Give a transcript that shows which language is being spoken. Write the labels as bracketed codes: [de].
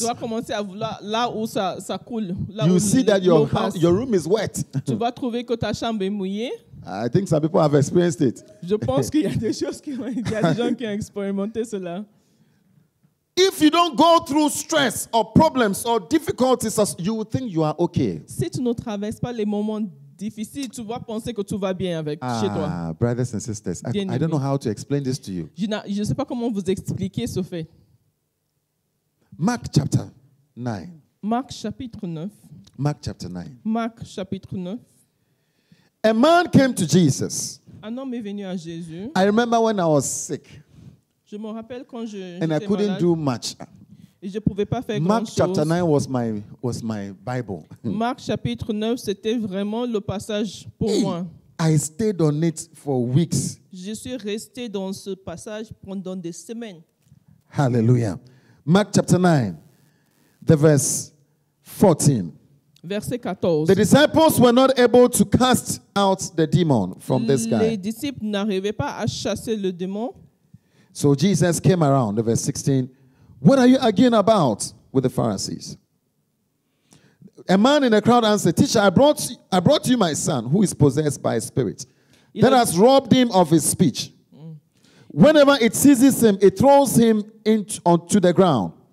[fr] Tu vas commencer à voir là où ça coule. [en] You see that your room is wet. [fr] Tu vas trouver que ta chambre est mouillée. [en] I think some people have experienced it. [fr] Je pense qu'il y a des choses qui ont, il y a des gens qui ont expérimenté cela. [en] If you don't go through stress or problems or difficulties, you will think you are okay. [fr] Si tu ne traverses pas les moments difficiles, tu vas penser que tout va bien avec chez toi. [en] Ah, brothers and sisters, I don't know how to explain this to you. [fr] Je ne sais pas comment vous expliquer ce fait. [en] Mark chapter 9. [fr] Mark chapitre 9. [en] Mark chapter 9. [fr] Mark chapitre 9. [en] A man came to Jesus. [fr] Un homme est venu à Jésus. [en] I remember when I was sick. [fr] Je me rappelle quand je [en] and I couldn't [fr] malade. [en] Do much. [fr] Et je pouvais pas faire [en] Mark [fr] grand [en] chapter [fr] chose. [en] 9 was my Bible. [fr] Mark chapitre 9, c'était vraiment le passage pour moi. [en] I stayed on it for weeks. [fr] Je suis resté dans ce passage pendant des semaines. [en] Hallelujah. Mark chapter 9, the verse 14. [fr] Verset 14. [en] The disciples were not able to cast out the demon from this guy. [fr] Les disciples n'arrivaient pas à chasser le démon. [en] So Jesus came around, verse 16. What are you arguing about with the Pharisees? A man in the crowd answered, Teacher, I brought you my son who is possessed by a spirit that has robbed him of his speech. Whenever it seizes him, it throws him onto the ground.